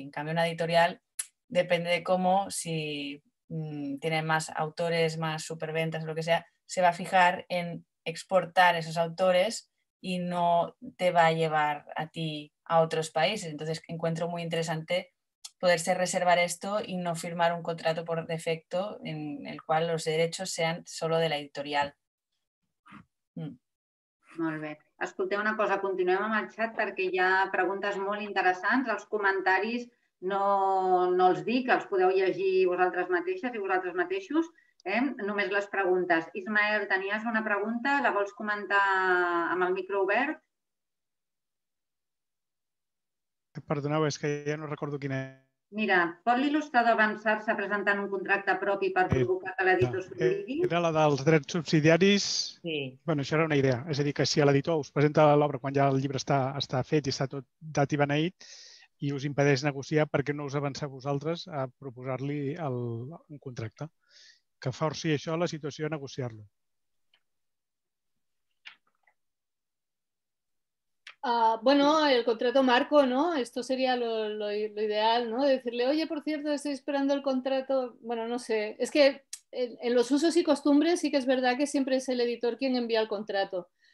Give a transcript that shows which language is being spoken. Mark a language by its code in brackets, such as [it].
[es] En cambio, una editorial depende de cómo, si tiene más autores, más superventas, lo que sea, se va a fijar en exportar esos autores y no te va a llevar a ti a otros países. Entonces, encuentro muy interesante poderse reservar esto y no firmar un contrato por defecto en el cual los derechos sean solo de la editorial. [ca] Molt bé. Escolteu una cosa, continuem amb el chat perquè hi ha preguntes molt interessants. Els comentaris no els dic, els podeu llegir vosaltres mateixes i vosaltres mateixos. Només les preguntes. Ismael, tenies una pregunta, la vols comentar amb el micro obert? Perdoneu, és que ja no recordo quina... Mira, pot l'il·lustrador avançar-se presentant un contracte propi per provocar que l'editor subsidiari? Era la dels drets subsidiaris. Sí. Bueno, això era una idea. És a dir, que si l'editor us presenta l'obra quan ja el llibre està fet i està tot dat i beneït i us impedeix negociar, per què no us avanceu vosaltres a proposar-li un contracte? Que forci això la situació a negociar-lo. [es] Bueno, el contrato marco, ¿no? Esto sería lo ideal, ¿no? Decirle, oye, por cierto, estoy esperando el contrato. Bueno, no sé. Es que en los usos y costumbres sí que es verdad que siempre es el editor quien envía el contrato.